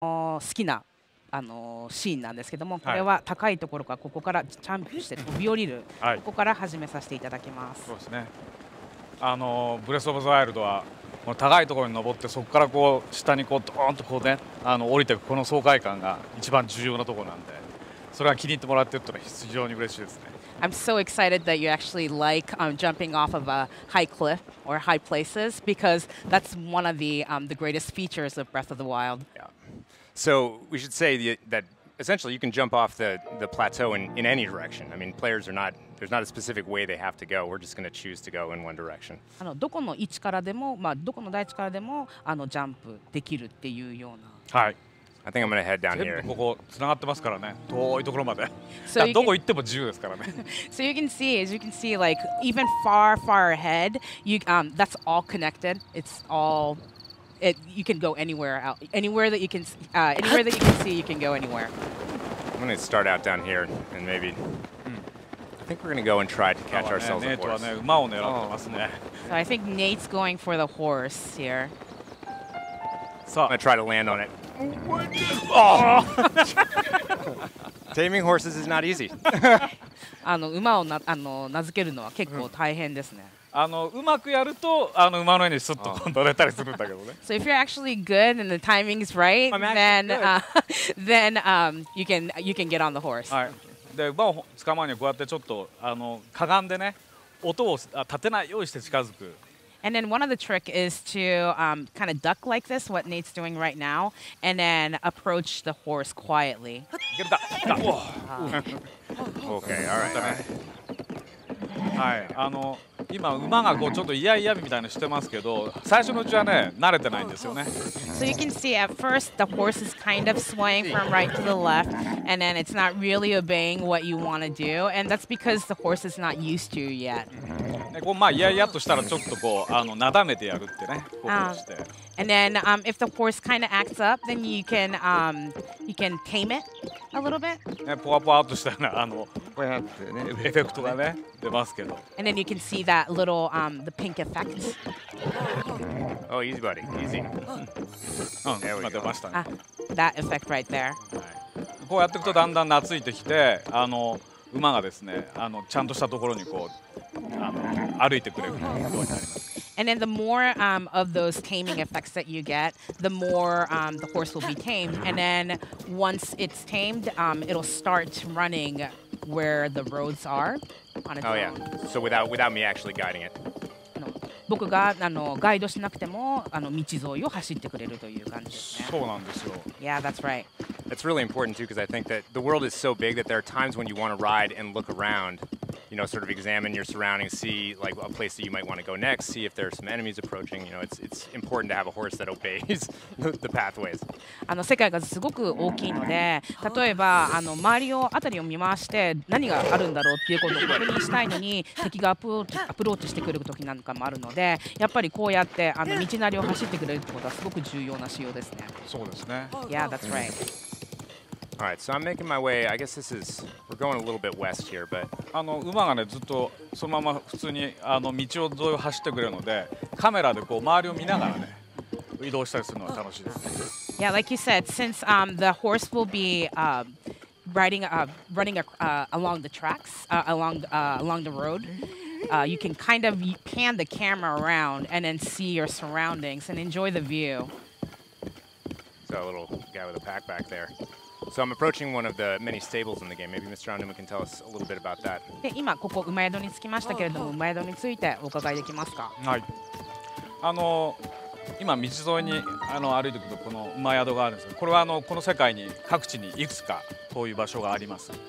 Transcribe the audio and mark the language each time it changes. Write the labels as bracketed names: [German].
[Japanese] 好きな、シーンなんですけども、これは高いところからここからジャンプして飛び降りる、はい、ここから始めさせていただきます。そうですね、ブレス・オブ・ザ・ワイルドはこの高いところに登ってそこからこう下にこうドーンとこう、ね、降りていくこの爽快感が一番重要なところなんで、それが気に入ってもらっているというのは非常に嬉しいですね。 [English] I'm so excited that you actually like jumping off of a high cliff or high places, because that's one of the greatest features of Breath of the Wild. Yeah. So we should say that essentially you can jump off the plateau in any direction. I mean, players are not, there's not a specific way they have to go. We're just going to choose to go in one direction. [Japanese] どこの位置からでも、まあ、どこの台地からでもジャンプできるっていうような。はい。 [English] I think I'm going to head down here. [Japanese] 全部ここつながってますからね。遠いところまで。So、どこ行っても自由ですからね。 [English] So you can see, as you can see, like even far, far ahead, that's all connected. It's all, you can go anywhere out. Anywhere that you can, anywhere that you can see, you can go anywhere. I'm going to start out down here and maybe,、I think we're going to go and try to catch ourselves a horse. [Japanese] Nate はね、馬を狙ってますね。 [English] So I think Nate's going for the horse here. So I'm going to try to land on it. Taming horses is not easy. [Japanese] 馬をあの名付けるのは結構大変ですね。うまくやると馬の上にスッと乗れたりするんだけどね。 [English] So if you're actually good and the timing is right, then you can get on the horse. [Japanese] はい。で馬を捕まえにこうやってちょっとかがんでね、音を立てないようにして近づく。 [English] And then one of the trick is to kind of duck like this, what Nate's doing right now, and then approach the horse quietly. Get that. Okay, all right. [Japanese] はい、今馬がこうちょっといやいやみたいなしてますけど、最初のうちはね慣れてないんですよね。 [English] So you can see at first the horse is kind of swaying from right to the left, and then it's not really obeying what you want to do, and that's because the horse is not used to yet. [Japanese] こうまあいやいやとしたらちょっとこうなだめてやるってね、こうして。 [English] And then if the horse kind of acts up, then you can tame it a little bit. [Japanese] ね、ポワポワっとしたようなこうやってねエフェクトがね出ますけど。 [English] And then you can see that little the pink effect. Oh, easy, buddy, easy. There we go. [Japanese] 出ましたね。 [English] That effect right there. [Japanese] こうやっていくとだんだん懐いてきて馬がですねちゃんとしたところにこう歩いてくれるようになります。 [English] And then the more of those taming effects that you get, the more the horse will be tamed. And then once it's tamed, it'll start running where the roads are on its own. Oh yeah. So without me actually guiding it. [Japanese] 僕がガイドしなくても道沿いを走ってくれるという感じですね。そうなんですよ。 [English] Yeah, that's right. That's really important too, because I think that the world is so big that there are times when you want to ride and look around. You know, sort of examine your surroundings, see like a place that you might want to go next, see if there are some enemies approaching. You know, it's important to have a horse that obeys the pathways. [Japanese] 世界がすごく大きいので、例えば周りをあたりを見回して何があるんだろうっていうことを確認したいのに、敵がアプローチしてくる時なんかもあるので、やっぱりこうやって道なりを走ってくれるってことはすごく重要な仕様ですね。そうですね。 [English] Yeah, that's right. All right, so I'm making my way. I guess this is we're going a little bit west here, but [Japanese] 馬がねずっとそのまま普通に道を沿いを走ってくれるので、カメラでこう周りを見ながらね移動したりするのは楽しいです。 [English] Yeah, like you said, since the horse will be running along the road. You can kind of pan the camera around and then see your surroundings and enjoy the view. So a little guy with a pack back there. So I'm approaching one of the many stables in the game. Maybe Mr. Onuma can tell us a little bit about that. [Japanese] で、今ここ馬宿に着きましたけれども、馬宿についてお伺いできますか？はい。今道沿いに歩いていくとこの馬宿があるんですが、これはこの世界に各地にいくつかこういう場所があります。